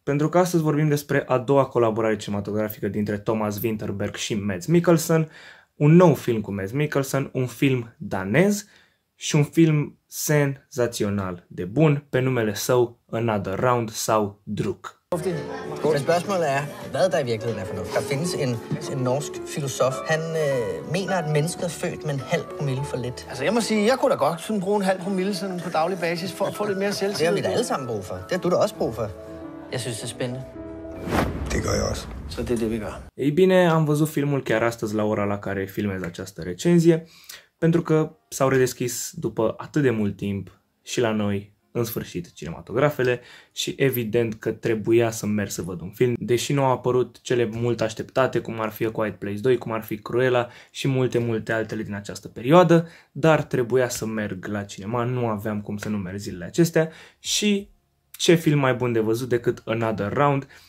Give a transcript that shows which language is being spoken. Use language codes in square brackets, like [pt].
[ro] Pentru că astăzi vorbim despre a doua colaborare cinematografică dintre Thomas Vinterberg și Mads Mikkelsen, un nou film cu Mads Mikkelsen, un film danez și un film senzațional de bun pe numele său Another Round sau Druk. [da] Godt spørgsmål er, hvad der i virkeligheden er for noget. Der findes en norsk filosof, han mener, at mennesket er født med en halv promille for lidt. Altså jeg må sige, jeg kunne da godt sådan bruge en halv promille sådan på daglig basis for at få lidt mere selvtillid. Det har vi da alle sammen brug for. Det har du da også brug for. Jeg synes, det er spændende. Det gør jeg også. Så det er det, vi gør. [ro] Ei bine, am văzut filmul chiar astăzi la ora la care filmez această recenzie, pentru că s-au redeschis după atât de mult timp și la noi în sfârșit cinematografele și evident că trebuia să merg să văd un film, deși nu au apărut cele mult așteptate, cum ar fi A Quiet Place 2, cum ar fi Cruella și multe, multe altele din această perioadă, dar trebuia să merg la cinema, nu aveam cum să nu merg zilele acestea și ce film mai bun de văzut decât Another Round,